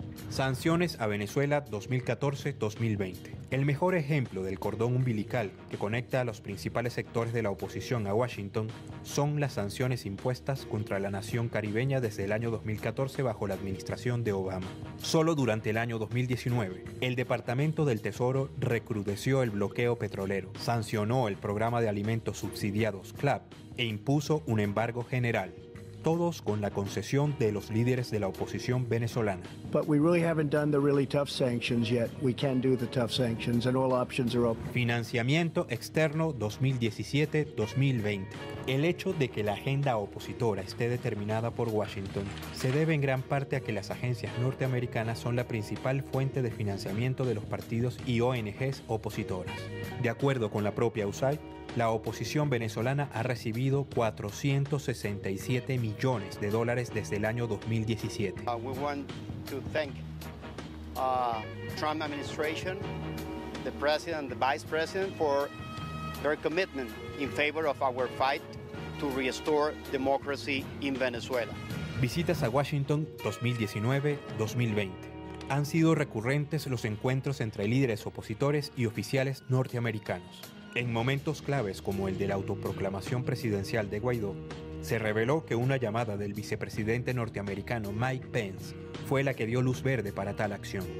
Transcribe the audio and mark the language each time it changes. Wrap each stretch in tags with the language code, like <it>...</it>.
<es>Sanciones a Venezuela 2014-2020. El mejor ejemplo del cordón umbilical que conecta a los principales sectores de la oposición a Washington son las sanciones impuestas contra la nación caribeña desde el año 2014 bajo la administración de Obama. Solo durante el año 2019, el Departamento del Tesoro recrudeció el bloqueo petrolero, sancionó el programa de alimentos subsidiados CLAP e impuso un embargo general. Todos con la concesión de los líderes de la oposición venezolana.</es> <en>But we really haven't done the really tough sanctions yet. We can do the tough sanctions and all options are open.</en> <es>Financiamiento externo 2017-2020. El hecho de que la agenda opositora esté determinada por Washington se debe en gran parte a que las agencias norteamericanas son la principal fuente de financiamiento de los partidos y ONGs opositoras. De acuerdo con la propia USAID, la oposición venezolana ha recibido 467 millones de dólares desde el año 2017.</es> <en>We want to thank Trump administration, the president, the vice president for their commitment in favor of our fight to restore democracy in Venezuela.</en> <es>Visitas a Washington 2019-2020. Han sido recurrentes los encuentros entre líderes opositores y oficiales norteamericanos. En momentos claves como el de la autoproclamación presidencial de Guaidó, se reveló que una llamada del vicepresidente norteamericano Mike Pence fue la que dio luz verde para tal acción.</es>